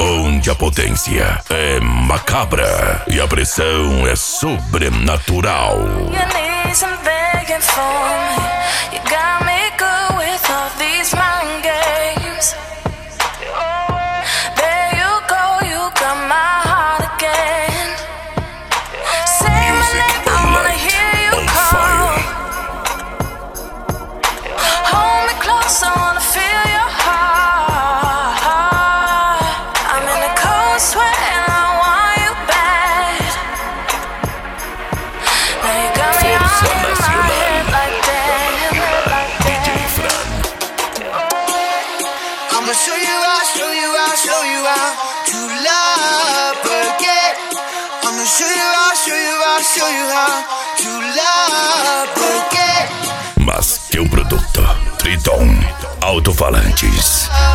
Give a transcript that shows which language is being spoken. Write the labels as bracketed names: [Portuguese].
[Portuguese] Onde a potência é macabra e a pressão é sobrenatural. [English] You need some begging for me. You got me good with all these mind games. There you go, you got my heart again. Say my name, I wanna hear you call. Hold me close, I wanna feel your heart. I'm in a cold sweat and I want you bad. Now you got me on in my head like damn, like damn. I'ma show you how, show you how, show you how to love again. I'ma show you how, show you how, show you how to love again. [Portuguese] Mas que um produto Triton Autofalantes.